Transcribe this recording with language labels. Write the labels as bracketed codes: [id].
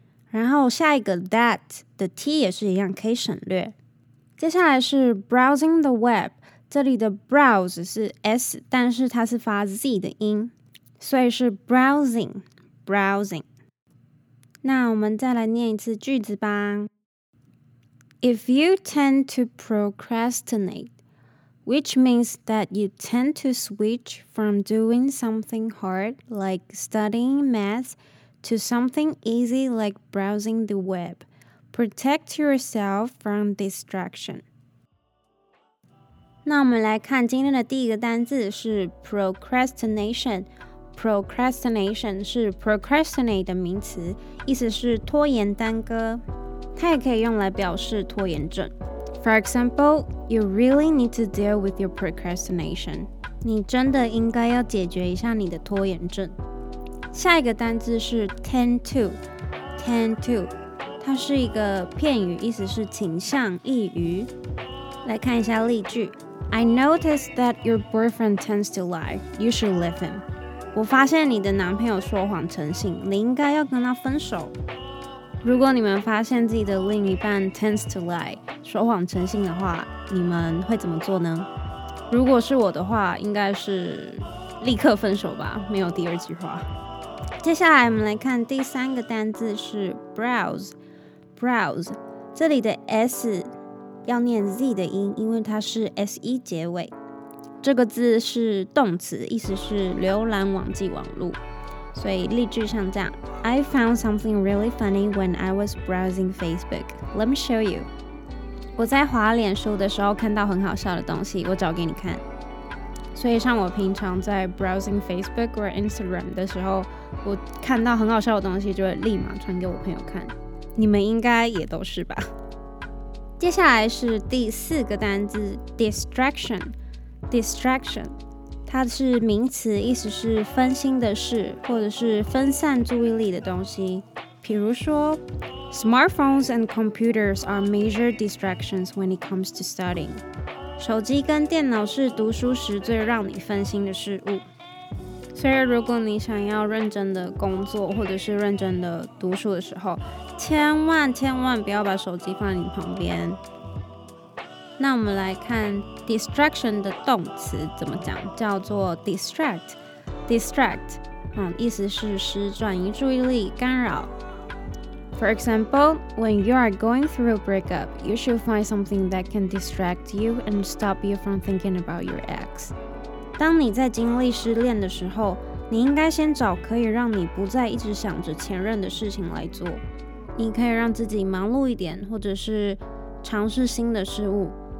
[zh] 然后下一个 that 的 t 也是一样，可以省略。接下来是 [en] browsing the web， [zh] 这里的 browse 是 s， 但是它是发 z 的音，所以是 browsing。那我们再来念一次句子吧。 [en] If you tend to procrastinate, which means that you tend to switch from doing something hard like studying math. To something easy like browsing the web. Protect yourself from distraction. [zh] 那我们来看今天的第一个单字是 procrastination. Procrastination 是 procrastinate 的名词，意思是拖延耽搁。它也可以用来表示拖延症。 [en] For example, you really need to deal with your procrastination. [zh] 你真的应该要解决一下你的拖延症。下一个单字是 tend to， 它是一个片语，意思是倾向、易于。来看一下例句。 [en] I noticed that your boyfriend tends to lie. You should leave him. [zh] 我发现你的男朋友说谎成性，你应该要跟他分手。如果你们发现自己的另一半 [en] tends to lie， [zh] 说谎成性的话，你们会怎么做呢？如果是我的话，应该是立刻分手吧，没有第二句话。接下来我们来看第三个单字是 browse， 这里的 s 要念 z 的音，因为它是 se 结尾。这个字是动词，意思是浏览网际网路，所以例句像这样。 [en] I found something really funny when I was browsing Facebook. Let me show you. [zh] 我在滑脸书的时候看到很好笑的东西，我找给你看。所以像我平常在 [en] browsing Facebook or Instagram [zh] 的时候，我看到很好笑的东西就会立马传给我朋友看，你们应该也都是吧。接下来是第四个单字 distraction， 它是名词，意思是分心的事或者是分散注意力的东西。比如说 [en] smartphones and computers are major distractions when it comes to studying。 [zh] 手机跟电脑是读书时最让你分心的事物。所以如果你想要认真的工作或者是认真的读书的时候，千万千万不要把手机放在你旁边。那我们来看 distraction 的动词怎么讲，叫做 distract、意思是使转移注意力，干扰。 [en] For example, when you are going through a breakup, you should find something that can distract you and stop you from thinking about your ex. [zh] 当你在经历失恋的时候，你应该先找可以让你不再一直想着前任的事情来做。你可以让自己忙碌一点，或者是尝试新的事物，